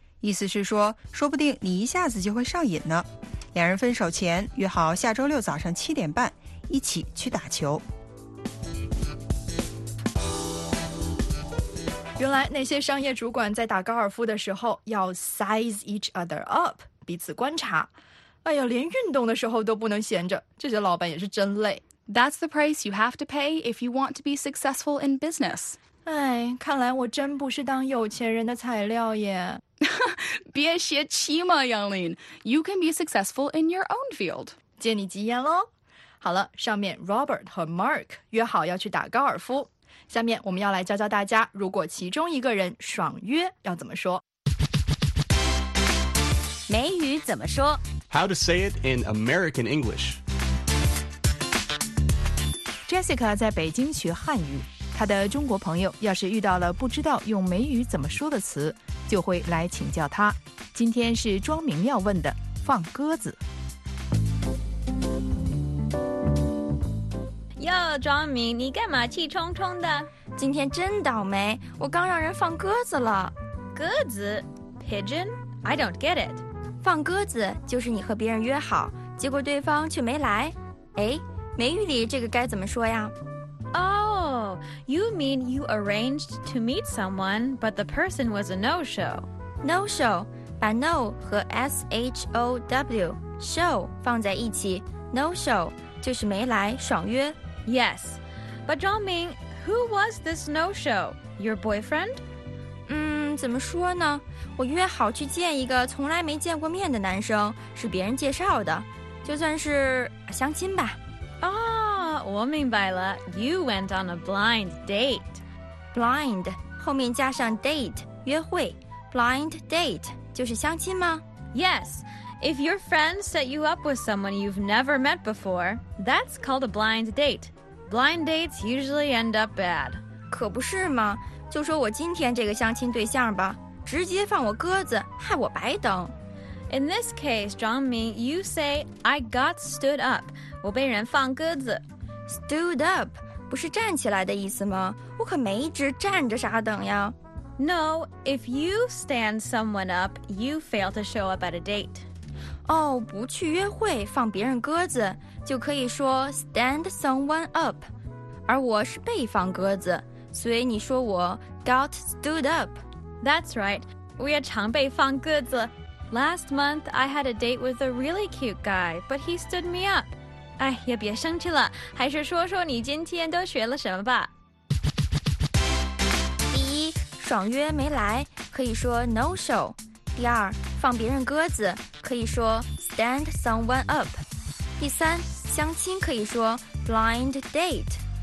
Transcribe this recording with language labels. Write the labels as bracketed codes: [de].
[zh] 意思是说，说不定你一下子就会上瘾呢。两人分手前约好下周六早上7:30一起去打球。原来那些商业主管在打高尔夫的时候要 [en] size each other up, [zh] 彼此观察。哎呀，连运动的时候都不能闲着，这些老板也是真累。 [en] That's the price you have to pay if you want to be successful in business. [zh] 哎，看来我真不是当有钱人的材料耶。别泄气嘛，杨林。 [en] You can be successful in your own field. [zh] 借你吉言咯。好了，上面 Robert 和 Mark 约好要去打高尔夫。下面我们要来教教大家，如果其中一个人爽约要怎么说。美语怎么说 [en] ？How to say it in American English? [zh] Jessica 在北京学汉语，她的中国朋友要是遇到了不知道用美语怎么说的词，就会来请教她。今天是庄明耀问的，放鸽子。哟，庄明，你干嘛气冲冲的？今天真倒霉，我刚让人放鸽子了。 [en] 鸽子 ？Pigeon? I don't get it. [zh] 放鸽子就是你和别人约好，结果对方却没来。哎，美语里这个该怎么说呀 [en] ？Oh, you mean you arranged to meet someone, but the person was a no-show. [zh] No-show， 把 no 和 show show 放在一起 ，no-show。就是没来，爽约。 [en] Yes, but Zhongming, who was this no-show? Your boyfriend? [zh] 怎么说呢？我约好去见一个从来没见过面的男生，是别人介绍的，就算是相亲吧。 [en] Oh, [zh] 我明白了。 [en] You went on a blind date. [zh] Blind 后面加上 date 约会 ，blind date 就是相亲吗 [en] ？Yes. If your friend set you up with someone you've never met before, that's called a blind date. Blind dates usually end up bad. [zh] 可不是吗？就说我今天这个相亲对象吧，直接放我鸽子，害我白等。 [en] In this case, Zhongming, you say, I got stood up. [zh] 我被人放鸽子。 Stood up 不是站起来的意思吗？我可没一直站着傻等呀。 [en] No, if you stand someone up, you fail to show up at a date. [zh] 哦、oh, ，不去约会放别人鸽子，就可以说 stand someone up， 而我是被放鸽子，所以你说我 got stood up。 [en] That's right， [zh] 我也常被放鸽子。 [en] Last month I had a date with a really cute guy， but he stood me up。 [zh] 哎，也别生气了，还是说说你今天都学了什么吧。第一，爽约没来，可以说 no show。第二，放别人鸽子。可以说 stand someone up. 第三，相亲可以说 blind date.